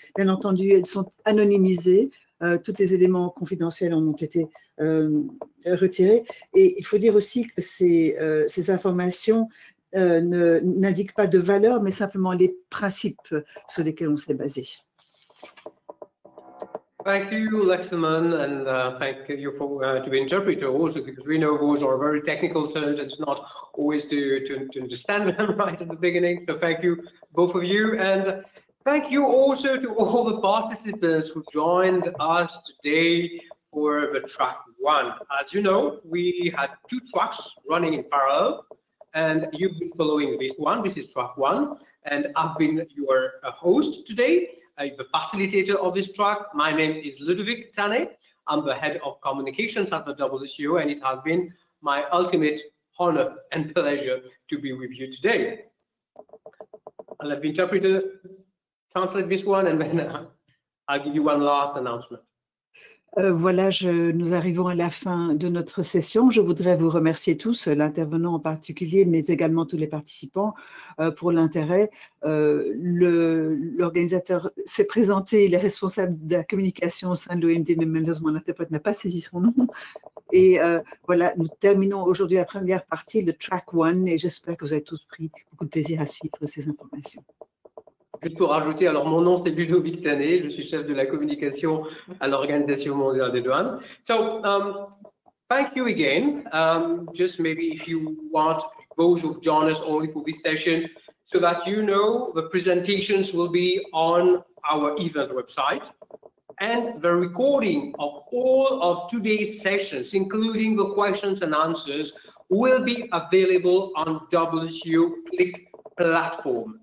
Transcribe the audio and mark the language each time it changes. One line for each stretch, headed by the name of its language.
French: Bien entendu, elles sont anonymisées. Tous les éléments confidentiels en ont été retirés. Et il faut dire aussi que ces informations n'indiquent pas de valeur, mais simplement les principes sur lesquels on s'est basé.
English: Thank you, Lexman, and thank you for to the interpreter also, because we know those are very technical terms. It's not always to understand them right at the beginning. So thank you, both of you. And thank you also to all the participants who joined us today for the track one. As you know, we had two tracks running in parallel, and you've been following this one. This is track one, and I've been your host today. I'm the facilitator of this track. My name is Ludovic Tanne. I'm the head of communications at the WCO, and it has been my ultimate honor and pleasure to be with you today. I'll let the interpreter translate this one, and then I'll give you one last announcement.
French: Voilà, nous arrivons à la fin de notre session. Je voudrais vous remercier tous, l'intervenant en particulier, mais également tous les participants, pour l'intérêt. L'organisateur s'est présenté, il est responsable de la communication au sein de l'OMD, mais malheureusement, l'interprète n'a pas saisi son nom. Et voilà, nous terminons aujourd'hui la première partie, le track one, et j'espère que vous avez tous pris beaucoup de plaisir à suivre ces informations. Juste pour rajouter, alors mon nom c'est Ludovic Tanne, je suis chef de la communication à l'Organisation mondiale des douanes.
English: So, thank you again. Just maybe if you want those who join us only for this session, so that you know, the presentations will be on our event website. And the recording of all of today's sessions, including the questions and answers, will be available on WCO Click platform.